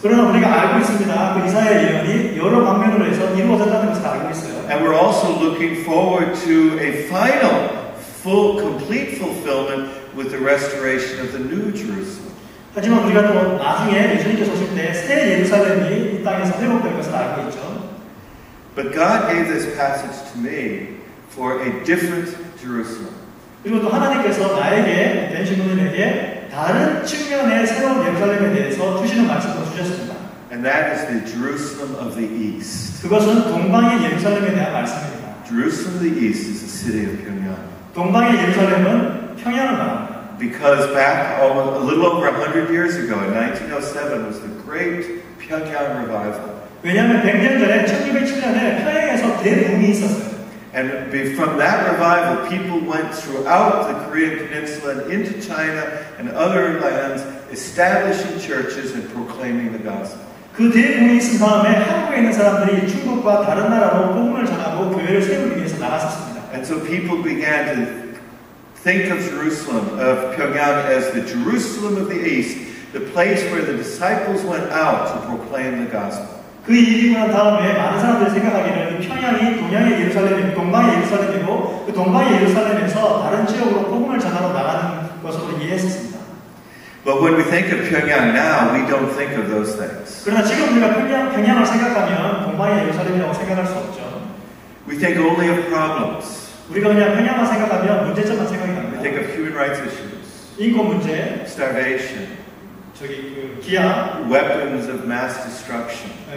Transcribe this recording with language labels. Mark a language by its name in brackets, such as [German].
[Korean] 그러나 우리가 알고 있습니다. 그 이사야 예언이 여러 방면으로 해서 이루어졌다는 것을 알고 있어요. [English] And we're also looking forward to a final, full, complete fulfillment with the restoration of the New Jerusalem. [Korean] 하지만 우리가 또 나중에 예수님께서 오실 때 새 예루살렘이 이 땅에서 회복될 것을 알고 있죠. [English] But God gave this passage to me for a different Jerusalem. [Korean] 그리고 또 하나님께서 나에게 벤시문에게 다른 측면의 새로운 예루살렘에 대해서 주시는 말씀을 주셨습니다. [English] And that is the Jerusalem of the East. [Korean] 그것은 동방의 예루살렘에 대한 말씀입니다. [English] Jerusalem of the East is the city of Pyongyang. [Korean] 동방의 예루살렘은 평양을 말합니다. [English] Because back almost, a little over 100 years ago, in 1907, was the great Pyongyang revival. [Korean] 왜냐하면 100년 전에 1907년에 평양에서 대붕이 있었어요. [English] And from that revival, people went throughout the Korean Peninsula and into China and other lands, establishing churches and proclaiming the gospel. [Korean] 그 대부분이 있은 다음에 한국에 있는 사람들이 중국과 다른 나라로 복음을 전하고 교회를 세우기 위해서 나갔었습니다. [English] And so people began to think of Jerusalem, of Pyongyang, as the Jerusalem of the East, the place where the disciples went out to proclaim the gospel. [Korean] 그 일이 난 다음에 많은 사람들이 생각하기에는 평양이 동양의 예루살렘이고 동방의 예루살렘이고 그 동방의 예루살렘에서 다른 지역으로 복음을 전하러 나가는 것으로 이해했습니다. [English] But when we think of Pyongyang now, we don't think of those things. [Korean] 그러나 지금 우리가 평양을 생각하면 동방의 예루살렘이라고 생각할 수 없죠. [English] We think only of problems. [Korean] 우리가 그냥 평양만 생각하면 문제점만 생각이 납니다. [English] We think of human rights issues. [Korean] 인권 문제. [English] Starvation. [Korean] 저기 기아, [English] weapons of mass destruction.